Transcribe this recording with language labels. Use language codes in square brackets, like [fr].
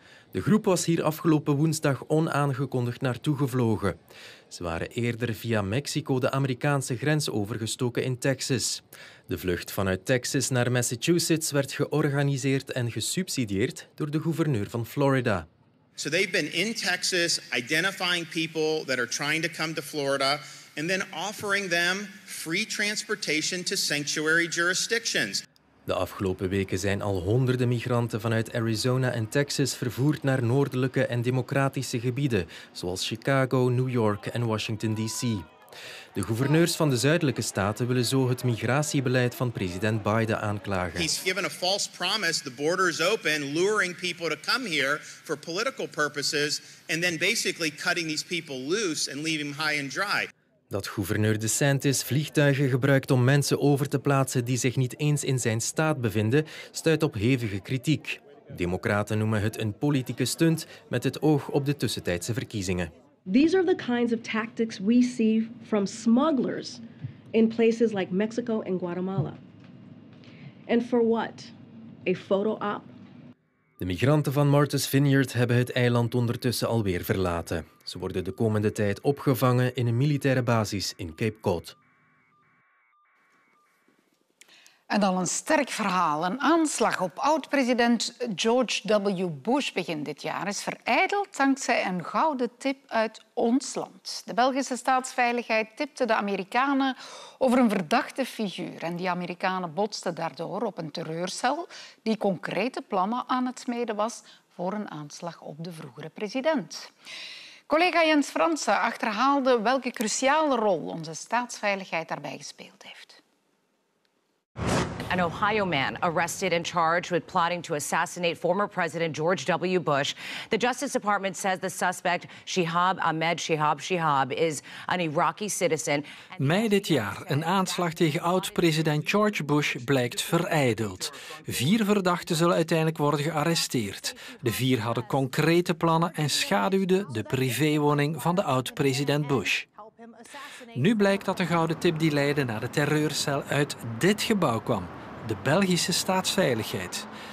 [nl] De groep was hier afgelopen woensdag onaangekondigd naartoe gevlogen. Ze waren eerder via Mexico de Amerikaanse grens overgestoken in Texas. De vlucht vanuit Texas naar Massachusetts werd georganiseerd en gesubsidieerd door de gouverneur van Florida. [en] So they've been in Texas identifying people that are trying to come to Florida and then offering them free transportation to sanctuary jurisdictions. [nl] De afgelopen weken zijn al honderden migranten vanuit Arizona en Texas vervoerd naar noordelijke en democratische gebieden, zoals Chicago, New York en Washington DC. De gouverneurs van de zuidelijke staten willen zo het migratiebeleid van president Biden aanklagen. [en] He's given a false promise, the border is open, luring people to come here for political purposes and then basically cutting these people loose and leaving them high and dry. [nl] Dat gouverneur DeSantis vliegtuigen gebruikt om mensen over te plaatsen die zich niet eens in zijn staat bevinden, stuit op hevige kritiek. Democraten noemen het een politieke stunt met het oog op de tussentijdse verkiezingen. [en] These are the kinds of tactics we see from smugglers in places like Mexico and Guatemala. And for what? A photo op? [nl] De migranten van Martha's Vineyard hebben het eiland ondertussen alweer verlaten. Ze worden de komende tijd opgevangen in een militaire basis in Cape Cod. En dan een sterk verhaal. Een aanslag op oud-president George W. Bush begin dit jaar is verijdeld dankzij een gouden tip uit ons land. De Belgische staatsveiligheid tipte de Amerikanen over een verdachte figuur. En die Amerikanen botsten daardoor op een terreurcel die concrete plannen aan het smeden was voor een aanslag op de vroegere president. Collega Jens Fransen achterhaalde welke cruciale rol onze staatsveiligheid daarbij gespeeld heeft. [en] An Ohio man arrested and charged with plotting to assassinate former President George W. Bush. The Justice Department says the suspect, Shihab Ahmed Shihab Shihab, is an Iraqi citizen. [nl] Mei dit jaar, een aanslag tegen oud-president George Bush blijkt verijdeld. Vier verdachten zullen uiteindelijk worden gearresteerd. De vier hadden concrete plannen en schaduwden de privéwoning van de oud-president Bush. Nu blijkt dat de gouden tip die leidde naar de terreurcel uit dit gebouw kwam, de Belgische staatsveiligheid.